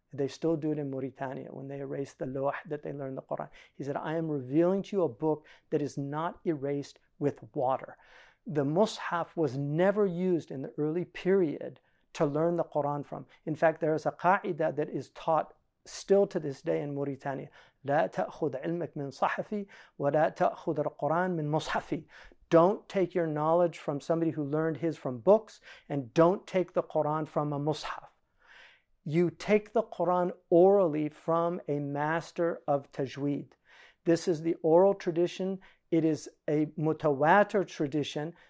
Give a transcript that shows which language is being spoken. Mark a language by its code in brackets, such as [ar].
[en] They still do it in Mauritania when they erase the loah that they learn the Quran. He said, I am revealing to you a book that is not erased with water. The Mus'haf was never used in the early period to learn the Quran from. In fact, there is a qa'ida that is taught still to this day in Mauritania. [ar] لا تأخذ علمك من صحفي ولا تأخذ القرآن من مصحفي. [en] Don't take your knowledge from somebody who learned his from books, and don't take the Quran from a Mus'haf. You take the Quran orally from a master of tajweed. This is the oral tradition. It is a mutawatir tradition.